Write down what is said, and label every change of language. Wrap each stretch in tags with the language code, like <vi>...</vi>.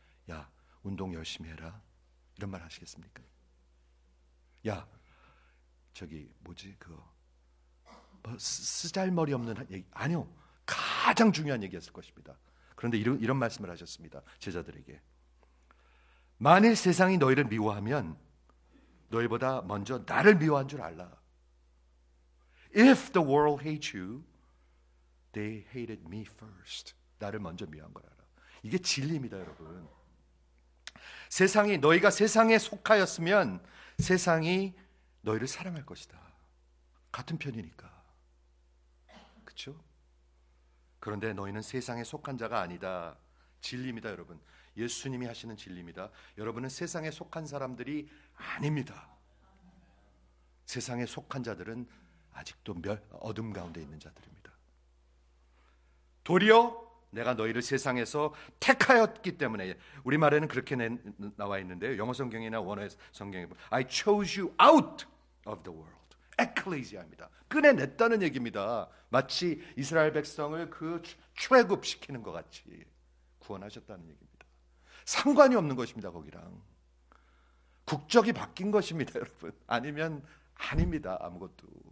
<ko>야 운동 열심히 해라 이런 말 하시겠습니까? 야 저기 뭐지 그거 뭐 쓰잘머리 없는 얘기 아니요 가장 중요한 얘기였을 것입니다. 그런데 이런 말씀을 하셨습니다. 제자들에게 만일 세상이 너희를 미워하면 너희보다 먼저 나를 미워한 줄 알라.</ko> <en>If the world hates you, they hated me first.</en> <ko>나를 먼저 미워한 걸 알아. 이게 진리입니다, 여러분. 세상이 너희가 세상에 속하였으면 세상이 너희를 사랑할 것이다. 같은 편이니까. 그렇죠? 그런데 너희는 세상에 속한 자가 아니다. 진리입니다, 여러분. 예수님이 하시는 진리입니다. 여러분은 세상에 속한 사람들이 아닙니다. 세상에 속한 자들은 아직도 어둠 가운데 있는 자들입니다. 도리어 내가 너희를 세상에서 택하였기 때문에 우리말에는 그렇게 나와 있는데요. 영어성경이나 원어성경에</ko> <en>I chose you out of the world.</en> <ko>Ecclesia입니다. 꺼내냈다는 얘기입니다. 마치 이스라엘 백성을 그 출애굽시키는 것 같이 구원하셨다는 얘기입니다. 상관이 없는 것입니다. 거기랑. 국적이 바뀐 것입니다. 여러분. 아니면 아닙니다. 아무것도.</ko>